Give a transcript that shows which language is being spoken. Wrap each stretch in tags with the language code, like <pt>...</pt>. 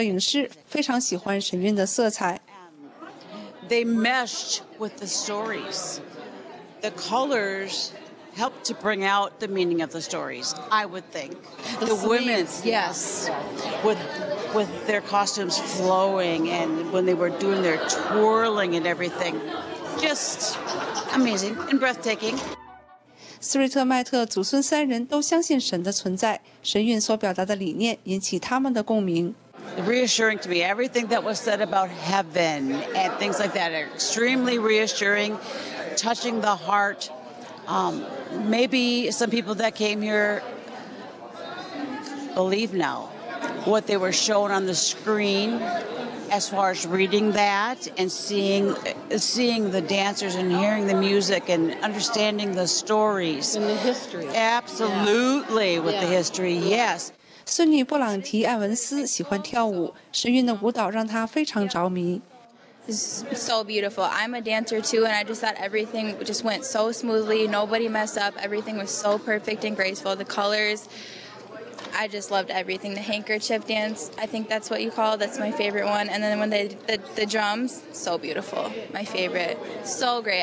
<zh>前银行家斯瑞特迈特的女儿是摄影师，非常喜欢神韵的色彩。</zh> <en>They meshed with the stories. The colors helped to bring out the meaning of the stories, I would think. The women, yes. With their costumes flowing, and when they were doing their twirling and everything, just amazing and breathtaking.</en> <zh>斯瑞特迈特祖孙三人都相信神的存在，神韵所表达的理念引起他们的共鸣。</zh> <en>Reassuring to me, everything that was said about heaven and things like that are extremely reassuring, touching the heart. Maybe some people that came here believe now what they were shown on the screen as far as reading that and seeing the dancers and hearing the music and understanding the stories. And the history. Absolutely, yeah. With yeah. The history, yes.</en> <zh>孙女布朗提·艾文斯喜欢跳舞，神韵的舞蹈让她非常着迷。</zh> <en>It's so beautiful. I'm a dancer too, and I just thought everything just went so smoothly. Nobody messed up. Everything was so perfect and graceful. The colors, I just loved everything. The handkerchief dance, I think that's what you call it. That's my favorite one. And then when the drums, so beautiful. My favorite. So great.</en>